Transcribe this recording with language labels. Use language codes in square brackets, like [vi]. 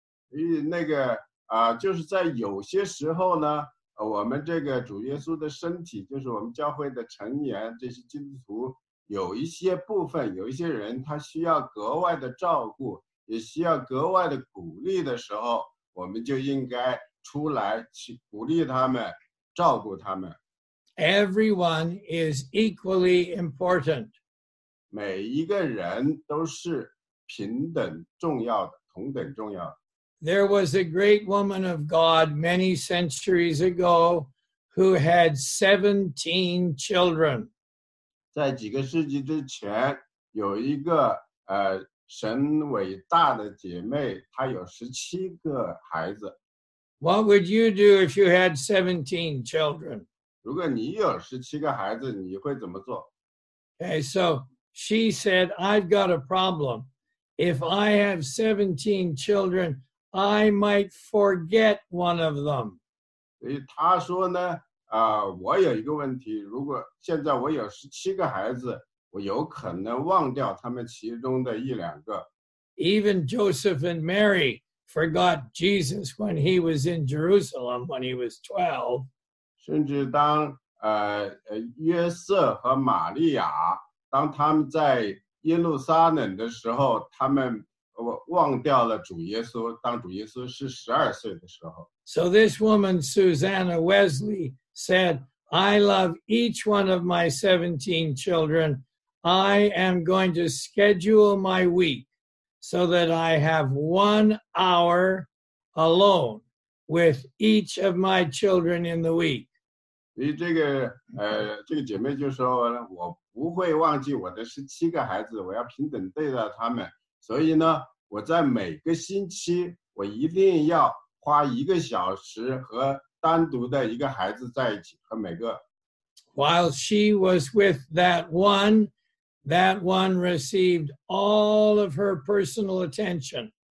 [zh] 那个就是在有些时候呢，我们这个主耶稣的身体，就是我们教会的成员，这些基督徒，有一些部分，有一些人，他需要格外的照顾，也需要格外的鼓励的时候，我们就应该出来去鼓励他们，照顾他们。 [en] Everyone is equally important. [zh] 每一个人都是平等重要的，同等重要的。 [en] There was a great woman of God many centuries ago who had 17 children. [zh] 在几个世纪之前，有一个神伟大的姐妹，她有17个孩子。 [en] What would you do if you had 17 children? [zh] 如果你有17个孩子，你会怎么做？ [en] Okay, so she said, I've got a problem. If I have 17 children,I might forget one of them. [zh] 所以他说呢，我有一个问题，如果现在我有17个孩子，我有可能忘掉他们其中的一两个。 [en] Even Joseph and Mary forgot Jesus when he was in Jerusalem when he was 12. [zh] 甚至当约瑟和玛利亚，当他们在耶路撒冷的时候，他们忘掉了主耶稣，当主耶稣是12岁的时候。 [en] So this woman, Susanna Wesley, said, I love each one of my 17 children. I am going to schedule my week so that I have 1 hour alone with each of my children in the week. [zh] 你这个姐妹就说我不会忘记我的17个孩子，我要平等对待他们，所以呢，我在每个星期我一定要花一个小时和单独的一个孩子在一起，和每个。 [en] While she was with that one received all of her personal attention.